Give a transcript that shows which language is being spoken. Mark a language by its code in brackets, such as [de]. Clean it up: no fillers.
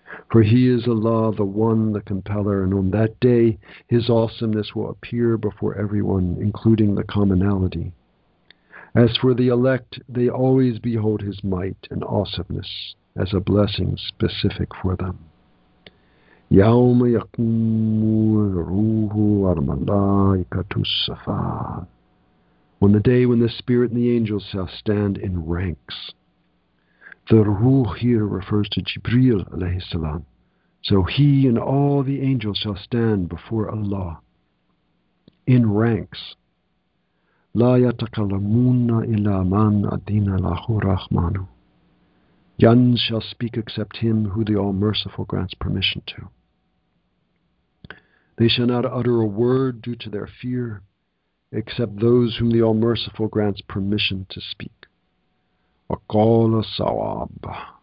[en] For He is Allah, the One, the Compeller, and on that day His awesomeness will appear before everyone, including the commonality. As for the elect, they always behold His might and awesomeness as a blessing specific for them. [ar] يوم يقوم الروح والملائكة صفا. [en] On the day when the spirit and the angels shall stand in ranks. The ruh here refers to Jibril alayhi salam. So he and all the angels shall stand before Allah in ranks. [ar] لا يتكلمون إلا من أذن له الرحمن. [en] None shall speak except him who the All-Merciful grants permission to. They shall not utter a word due to their fear, except those whom the All-Merciful grants permission to speak. [ar] وَقَالَ صَوَابَ.